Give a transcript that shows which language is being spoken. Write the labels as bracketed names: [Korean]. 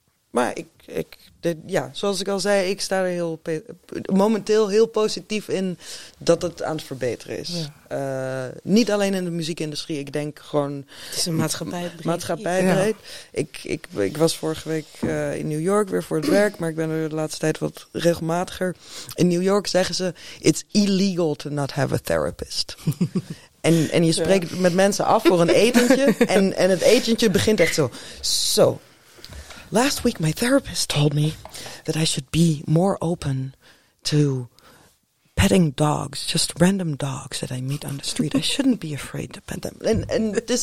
[Dutch] Maar zoals ik al zei, ik sta er momenteel heel positief in dat het aan het verbeteren is. Ja. Niet alleen in de muziekindustrie, ik denk gewoon. Het is een maatschappijbreed. Ik was vorige week in New York weer voor het werk, maar ik ben er de laatste tijd wat regelmatiger. In New York zeggen ze, [English] it's illegal to not have a therapist. [Dutch] en je spreekt met mensen af voor een etentje en het etentje begint echt zo. [English] Last week my therapist told me that I should be more open to petting dogs, just random dogs that I meet on the street. I shouldn't be afraid to pet them.